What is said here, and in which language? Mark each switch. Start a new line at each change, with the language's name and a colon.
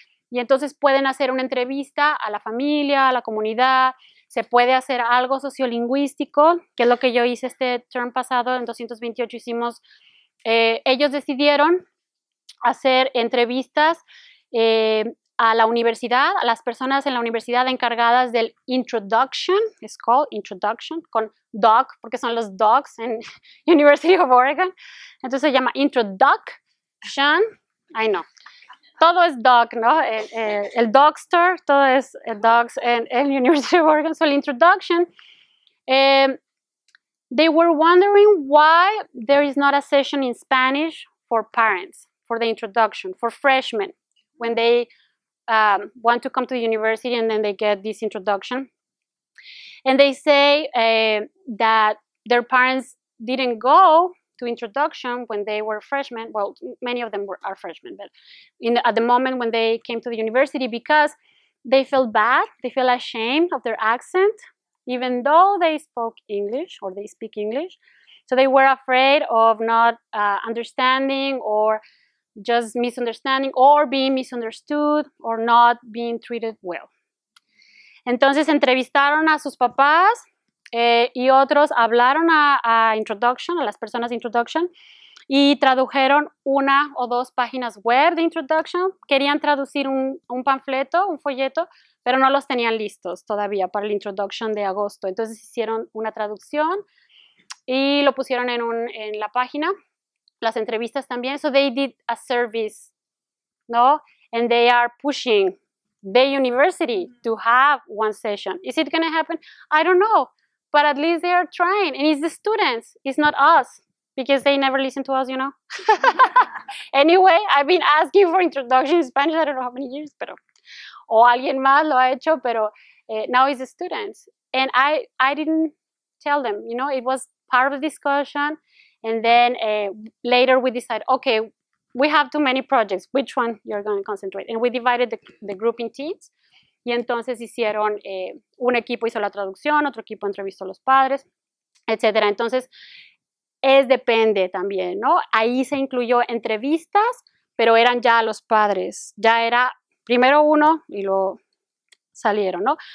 Spanish: Y entonces pueden hacer una entrevista a la familia, a la comunidad, se puede hacer algo sociolingüístico, que es lo que yo hice este term pasado, en 228 hicimos, ellos decidieron hacer entrevistas a la universidad, a las personas en la universidad encargadas del introduction,
English: it's called introduction,
Spanish: con doc, porque son los docs en University of Oregon, entonces se llama introduction,
English: I know.
Spanish: Todo es doc, ¿no? El doctor, todo es docs en el University of Oregon.
English: So, the introduction. They were wondering why there is not a session in Spanish for parents, for the introduction, for freshmen, when they want to come to the university and then they get this introduction. And they say that their parents didn't go to introduction when they were freshmen, well, many of them are freshmen, but at the moment when they came to the university, because they feel bad, they feel ashamed of their accent, even though they spoke English or they speak English. So they were afraid of not understanding or just misunderstanding or being misunderstood or not being treated well.
Spanish: Entonces entrevistaron a sus papás. Y otros hablaron a introduction, a las personas de introduction, y tradujeron una o dos páginas web de introduction. Querían traducir un panfleto, un folleto, pero no los tenían listos todavía para el introduction de agosto. Entonces hicieron una traducción y lo pusieron en la página. Las entrevistas también.
English: So they did a service, ¿no? And they are pushing the university to have one session. Is it going to happen? I don't know. But at least they are trying. And it's the students. It's not us. Because they never listen to us, you know? Anyway, I've been asking for introduction in Spanish. I don't know how many years, pero.
Spanish: O alguien más lo ha hecho, pero
English: now it's the students. And I didn't tell them, you know? It was part of the discussion. And then later we decided, okay, we have too many projects. Which one you're going to concentrate? And we divided the group in teams.
Spanish: Y entonces hicieron, un equipo hizo la traducción, otro equipo entrevistó a los padres, etcétera. Entonces, es depende también, ¿no? Ahí se incluyó entrevistas, pero eran ya los padres. Ya era primero uno y luego salieron, ¿no?